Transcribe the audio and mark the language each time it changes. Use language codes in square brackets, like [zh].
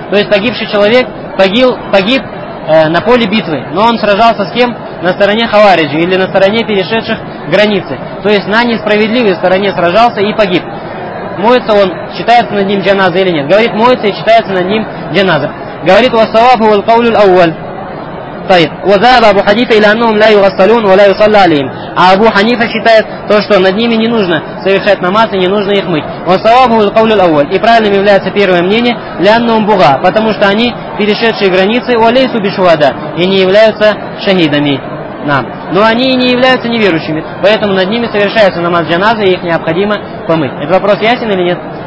[ru] То есть погибший человек погиб на поле битвы, но он сражался с кем? На стороне хавариджи или на стороне перешедших границы. То есть на несправедливой стороне сражался и погиб. Моется он, считается над ним джаназа или нет? Говорит, моется и считается над ним джаназа. Говорит, [ar] «Вассаваб хувал кавлюль ауваль». وذهب أبو حنيفة إلى أنهم لا يغسلون ولا يصلى عليهم. [ru] А Абу Ханифа считает то, что над ними не нужно совершать намаз и не нужно их мыть. [ar] وصواب هو القول الأول. [ru] И правильным является первое мнение, [ar] لأنهم بغاة, [ru] потому что они перешедшие границы, [ar] وليسوا بشهداء, [ru] и не являются шахидами. Нам. Но они и не являются неверующими, поэтому над ними совершается намаз джаназа и их необходимо помыть. Этот вопрос ясен или нет?